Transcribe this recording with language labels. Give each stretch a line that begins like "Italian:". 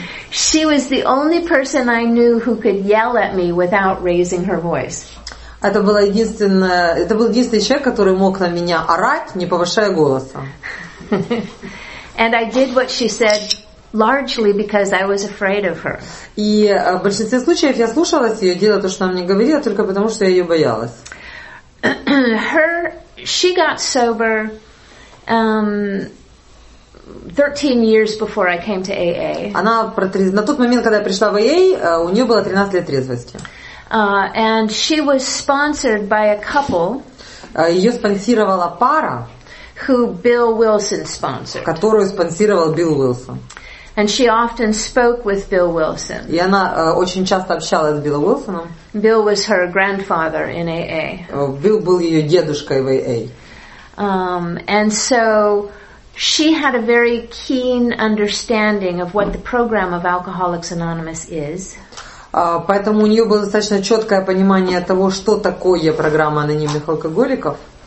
English: She was the only person I knew who could yell at me without raising her voice.
Russian: Это был единственный человек, который мог на меня орать, не повышая голоса.
English: And I did what she said, largely because I was afraid of her.
Russian: И в большинстве случаев я слушалась ее, делала то, что она мне говорила, только потому, что я ее боялась.
English: She got sober 13 years before I came to AA.
Russian: Она на тот момент, когда я пришла в AA, у нее было 13 лет трезвости.
English: And she was sponsored by a couple.
Russian: Ее спонсировала пара.
English: Who Bill Wilson sponsored?
Russian: Которую спонсировал Билл Уилсон.
English: And she often spoke with Bill Wilson.
Russian: И она очень часто общалась с Биллом Уилсоном.
English: Bill was her grandfather in AA.
Russian: Билл был ее дедушкой в AA.
English: And so she had a very keen understanding of what the program of Alcoholics Anonymous is.
Russian: Поэтому у нее было достаточно четкое понимание того, что такое программа анонимных алкоголиков.